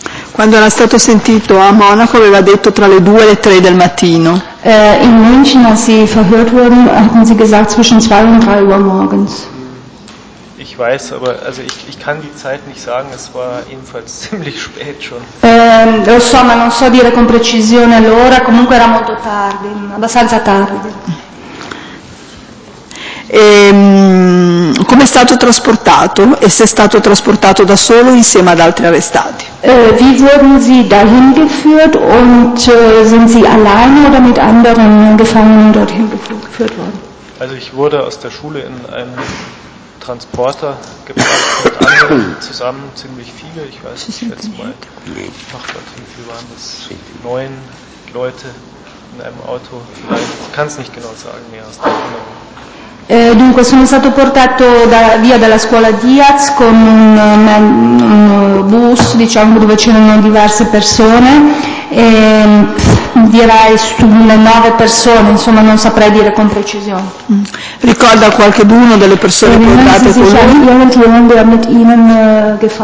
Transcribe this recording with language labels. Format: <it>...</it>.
<it>Quando era stato sentito a Monaco aveva detto tra le 2 e le 3 del mattino.</it> <de>In München, als sie verhört wurden, hatten sie gesagt zwischen 2 und 3 Uhr morgens. Ich weiß, aber also ich kann die Zeit nicht sagen, es war jedenfalls ziemlich spät schon.</de> <it>Lo so, ma non so dire con precisione l'ora, comunque era molto tardi, abbastanza tardi. Come è stato trasportato e se è stato trasportato da solo insieme ad altri arrestati?</it> <de>Wie wurden Sie dahin geführt und sind Sie alleine oder mit anderen Gefangenen dorthin geführt worden? Also ich wurde aus der Schule in einem Transporter gebracht mit anderen zusammen, ziemlich viele, ich weiß nicht, jetzt mal, ach Gott, wie viele waren das, 9 Leute in einem Auto, vielleicht, ich kann es nicht genau sagen, mehr aus der Erinnerung.</de> <it>Dunque sono stato portato via dalla scuola Diaz con un bus, diciamo, dove c'erano diverse persone, e, direi su 9 persone, insomma non saprei dire con precisione. Ricorda qualcheduno delle persone portate con lui?</it> <de>Ja, so an 3 kann ich mich noch</de>